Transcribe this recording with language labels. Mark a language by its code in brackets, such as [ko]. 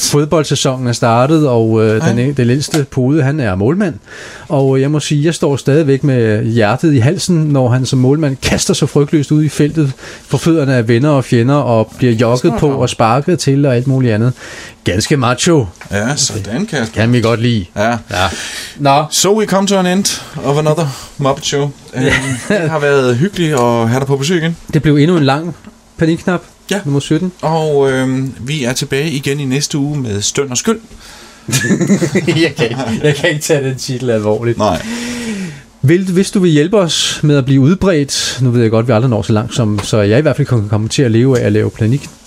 [da] Fodboldsæsonen er startet, og den ældste pude, han er målmand. Og jeg må sige, jeg står stadigvæk med hjertet i halsen, når han som målmand kaster sig frygteløst ud i feltet for fødderne af venner og fjender, og bliver jogget på og sparket til og alt muligt andet. Ganske macho. Ja, sådan, Kasper. Kan vi godt lide. Ja. Ja. Nå. [en] So we come to an end of another Muppet Show. [da] Det har været hyggeligt at have dig på besøg igen. Det blev endnu en lang panikknap, ja. Nummer 17. Og vi er tilbage igen i næste uge med Støn og Skyld. jeg kan ikke tage den titel alvorligt. Nej. Hvis du vil hjælpe os med at blive udbredt, nu ved jeg godt, at vi aldrig når så langt, så jeg i hvert fald kan komme til at leve af at lave panik.